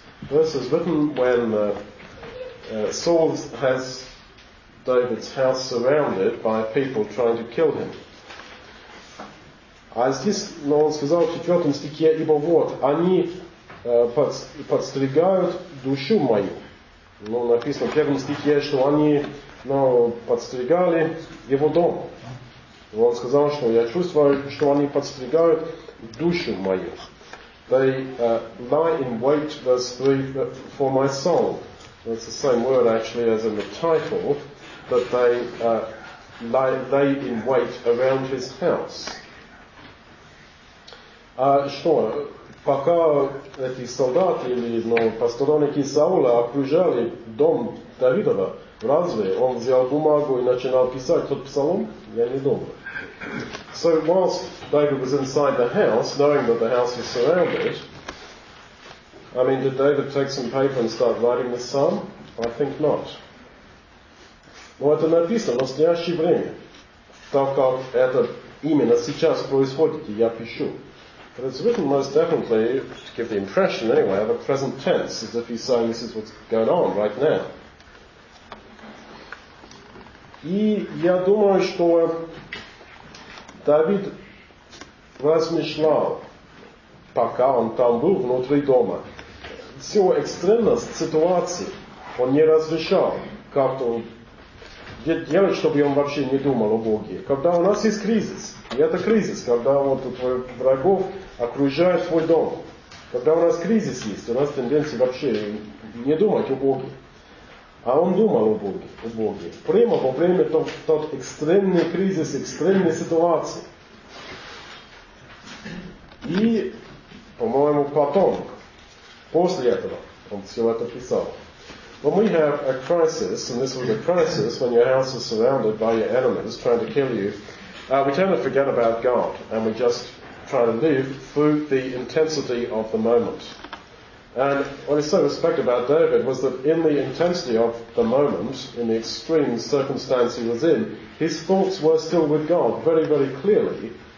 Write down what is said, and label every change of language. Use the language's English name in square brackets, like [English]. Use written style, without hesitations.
[English] This is written when Saul has David's house surrounded by people trying to kill him. [Russian] А здесь, он сказал в 4 стихе, ибо вот, они подстригают душу мою. Написано в 1 стихе, что они подстригали его дом. И он сказал, что я чувствую, что они подстригают душу мою. [English] They lie in wait, verse 3, for my soul. That's the same word, actually, as in the title, that they lay in wait around his house. [Russian] А что, пока эти солдаты или посторонники Саула окружали дом Давидова, разве он взял бумагу и начинал писать тот псалом? Я не думаю. [English] So whilst David was inside the house, knowing that the house was surrounded, I mean, did David take some paper and start writing this psalm? I think not. [Russian] Но это написано в настоящее время, так как это именно сейчас происходит, и я пишу. [English] But it's written most definitely to give the impression, anyway, of a present tense, as if he's saying this is what's going on right now. [Russian] И я думаю, что Давид размышлял, пока он там был внутри дома, всю экстремность ситуации он не разрешал, как он делать, чтобы он вообще не думал о Боге. Когда у нас есть кризис, и это кризис, когда вот твоих врагов окружает твой дом, когда у нас кризис есть, у нас тенденция вообще не думать о Боге. А он думал о Боге, прямо во время тот экстремный кризис, экстремной ситуации. И, по-моему, потом, после этого, он все это писал. [English] When we have a crisis, and this was a crisis, when your house is surrounded by your enemies trying to kill you, we tend to forget about God, and we just try to live through the intensity of the moment. And what is so respected about David was that in the intensity of the moment, in the extreme circumstance he was in, his thoughts were still with God very, very clearly.